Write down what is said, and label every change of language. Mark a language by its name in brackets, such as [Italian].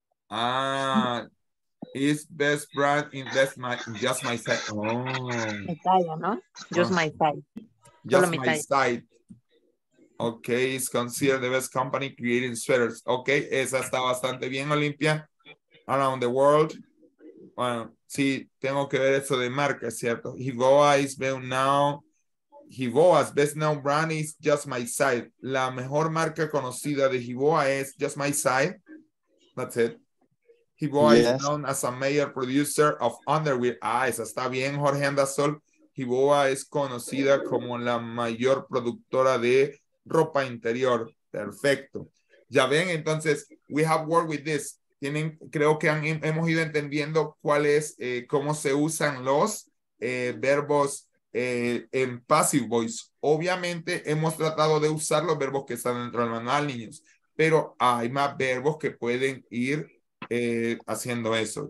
[English] Ah, it's best brand in best my, just my side. Oh. [Spanish] Mi talla, ¿no? Just oh. [English] My side. Just solo my side. Okay, it's considered the best company creating sweaters. [Spanish] Okay, esa está bastante bien, Olimpia. [English] Around the world. [Spanish] Bueno, sí, tengo que ver eso de marca, ¿cierto? [English] Hiboa is well now. Hiboa's best known brand is Just My Side. [Spanish] La mejor marca conocida de Hiboa es Just My Side. [English] That's it. Hiboa, yes, is known as a major producer of underwear. [Spanish] Ah, esa está bien, [English] Jorge Andasol. [Spanish] Hiboa es conocida como la mayor productora de ropa interior. Perfecto. Ya ven, entonces, [English] we have worked with this. [Spanish] Tienen, creo que han, hemos ido entendiendo cuál es, cómo se usan los verbos en passive voice. Obviamente hemos tratado de usar los verbos que están dentro del manual, niños, pero hay más verbos que pueden ir haciendo eso.